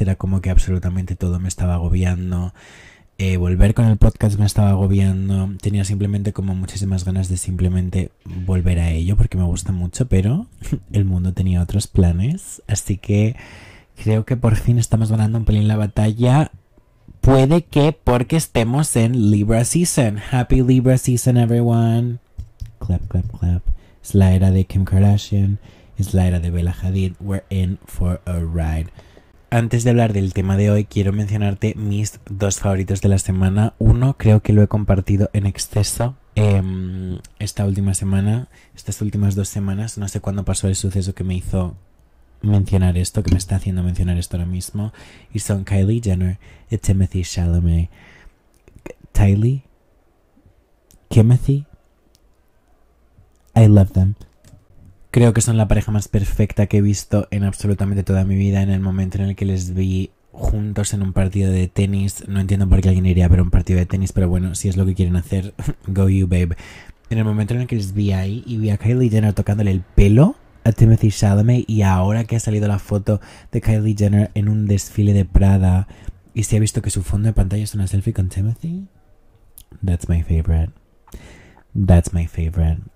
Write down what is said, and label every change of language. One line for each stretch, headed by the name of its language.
Spanish: Era como que absolutamente todo me estaba agobiando. Volver con el podcast me estaba agobiando. Tenía simplemente como muchísimas ganas de simplemente volver a ello porque me gusta mucho, pero el mundo tenía otros planes. Así que creo que por fin estamos ganando un pelín la batalla. Puede que porque estemos en Libra Season.
English: Happy Libra Season, everyone.
Spanish: Clap, clap, clap. Es la era de Kim Kardashian. Es la era de Bella Hadid.
English: We're in for a ride.
Spanish: Antes de hablar del tema de hoy, quiero mencionarte mis dos favoritos de la semana. Uno, creo que lo he compartido en exceso esta última semana. Estas últimas 2 semanas. No sé cuándo pasó el suceso que me hizo mencionar esto, que me está haciendo mencionar esto ahora mismo, y son Kylie Jenner y Timothée Chalamet.
English: Kylie, Timothée, I love them.
Spanish: Creo que son la pareja más perfecta que he visto en absolutamente toda mi vida. En el momento en el que les vi juntos en un partido de tenis, no entiendo por qué alguien iría a ver un partido de tenis, pero bueno, si es lo que quieren hacer,
English: go you, babe.
Spanish: En el momento en el que les vi ahí y vi a Kylie Jenner tocándole el pelo a Timothée Chalamet, y ahora que ha salido la foto de Kylie Jenner en un desfile de Prada y se ha visto que su fondo de pantalla es una selfie con Timothée,
English: that's my favorite. That's my favorite.